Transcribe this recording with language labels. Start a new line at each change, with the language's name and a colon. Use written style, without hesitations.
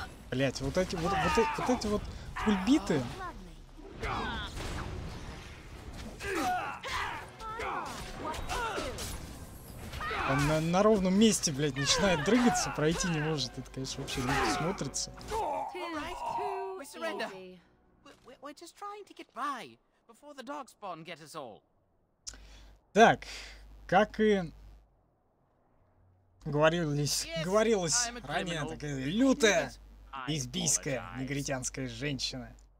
Russian: Блять, вот эти кульбиты. Он на ровном месте, блядь, начинает дрыгаться, пройти не может. Это, конечно, вообще не смотрится.
English: We surrender. We're just trying to get by before the darkspawn get us all.
Russian: Так, как и говорилось ранее, такая лютая, избийская, негритянская женщина.